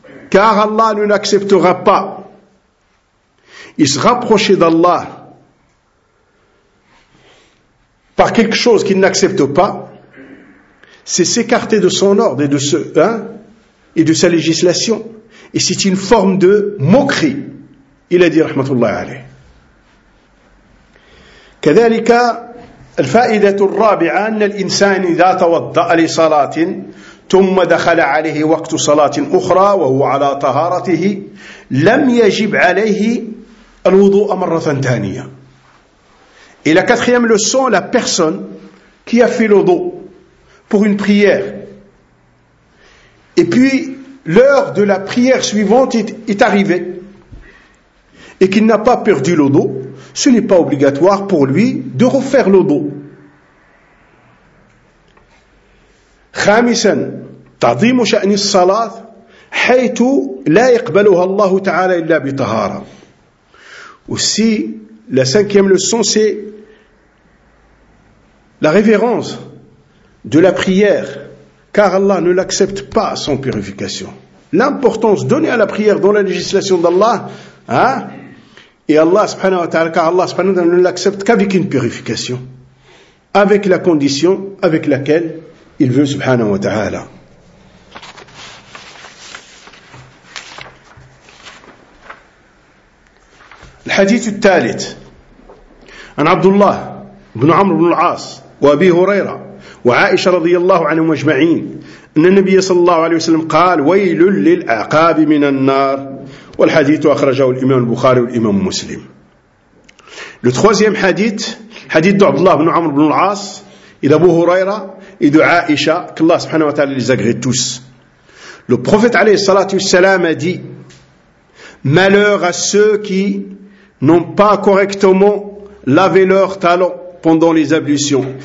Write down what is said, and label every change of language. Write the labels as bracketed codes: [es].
[fr] Car Allah ne l'acceptera pas. Il se rapprochera d'Allah par quelque chose qu'il n'accepte pas, c'est s'écarter de son ordre et de ce, hein, et de sa législation. Et c'est une forme de moquerie. Il a dit, rahmatullah alayh. [ar] كذلك الفائدة الرابعة أن الإنسان إذا توضأ لصلاة ثم دخل عليه وقت صلاة أخرى وهو على طهارته لم يجب عليه الوضوء مرة ثانية. [fr] Et la quatrième leçon, la personne qui a fait l'wudu pour une prière et puis l'heure de la prière suivante est arrivée et qu'il n'a pas perdu l'wudu, ce n'est pas obligatoire pour lui de refaire le dos. [ar] خامسا تعظيم شأن الصلاة حيث لا يقبلها الله تعالى إلا بطهارة. [fr] Aussi, la cinquième leçon, c'est la révérence de la prière, car Allah ne l'accepte pas sans purification. L'importance donnée à la prière dans la législation d'Allah, hein? Et Allah subhanahu wa ta'ala, car Allah subhanahu wa ta'ala ne l'accepte qu'avec une purification, avec la condition avec laquelle il veut subhanahu wa ta'ala. [ar] Le hadith al-thalith, an Abdullah ibn Amr ibn al-As wa Abi Huraira wa Aisha radiyallahu anhum ajma'in, anna nabiyya sallallahu alayhi wa sallam qal waylul lil aqab min an-nar. والحديث أخرجه الإمام البخاري والإمام مسلم. [fr] Le troisième hadith, hadith d'Abd Allah ibn Amr ibn al-As, et d'Abu Huraira, et d'Aisha, qu'Allah subhanahu wa ta'ala les agrée tous. Le prophète alayhi salatu wassalam a dit, malheur à ceux qui n'ont pas correctement lavé leurs talons pendant les ablutions.